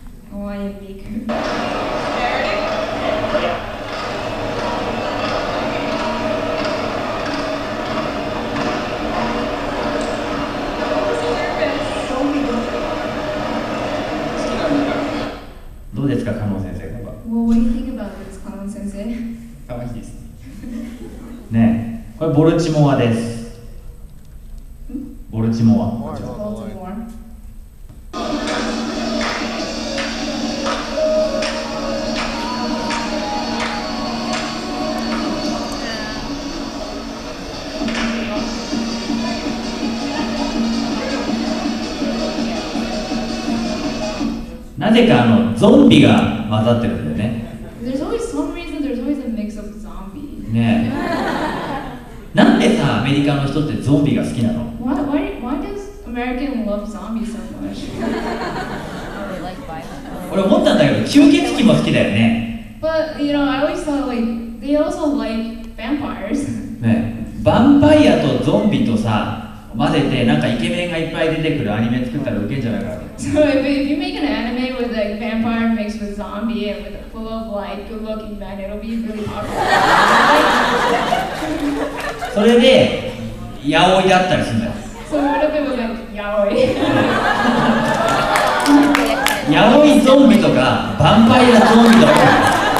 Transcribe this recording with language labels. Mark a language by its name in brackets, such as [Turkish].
[Japanese] ハワイアンミク。どうですか、カノン先生、ここは。 [English] Well, what do you think about this, カノン先生？ [Japanese] かわいいですね。ねえ、これボルチモアです。ボルチモア。なぜかあのゾンビが混ざってるんだよね。 [English] There's always some reason there's always a mix of zombies. [Japanese] ねえ。なんでさアメリカの人ってゾンビが好きなの [English] why does American love zombies so much? Or like violent. [Japanese] 俺思ったんだけど吸血鬼も好きだよね。 [English] But you know, I always thought like they also like vampires. [Japanese] ねえ。ヴァンパイアとゾンビとさ混ぜてなんかイケメンがいっぱい出てくるアニメ作ったらウケんじゃないかな。 [English] So if you make an anime with a vampire mixed with zombie and with a full of like good looking men, it'll be really popular. [Japanese] それで、ヤオイだったりするんだよ。 [English] So what if it was like ヤオイ？ [Japanese] ヤオイゾンビとか、ヴァンパイアゾンビとか。